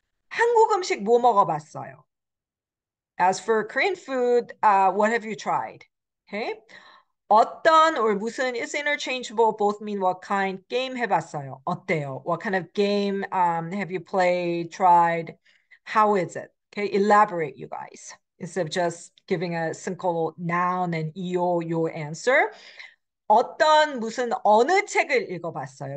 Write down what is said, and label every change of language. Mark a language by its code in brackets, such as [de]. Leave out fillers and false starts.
[ko] 한국 음식 뭐 먹어봤어요? [en] As for Korean food, what have you tried? Okay. 어떤 or 무슨 is interchangeable, both mean what kind. [ko] 게임 해봤어요? 어때요? [en] What kind of game have you played, tried? How is it? Okay, elaborate, you guys, instead of just giving a simple noun and io, your answer. [ko] 어떤 무슨 어느 책을 읽어봤어요?